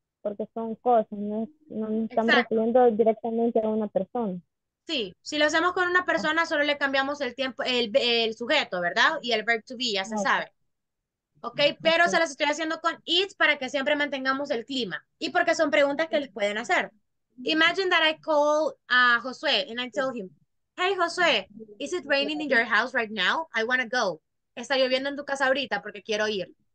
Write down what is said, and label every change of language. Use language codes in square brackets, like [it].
[es] Porque son cosas, no, es, no estamos refiriendo directamente a una persona. Sí, si lo hacemos con una persona, solo le cambiamos el tiempo, el sujeto, ¿verdad? Y el verb to be, ya se sabe. Ok, pero se las estoy haciendo con it para que siempre mantengamos el clima. Y porque son preguntas que les pueden hacer. [en] Imagine that I call Josué and I tell him, hey Josué, is it raining in your house right now? I want to go. [es] Está lloviendo en tu casa ahorita porque quiero ir.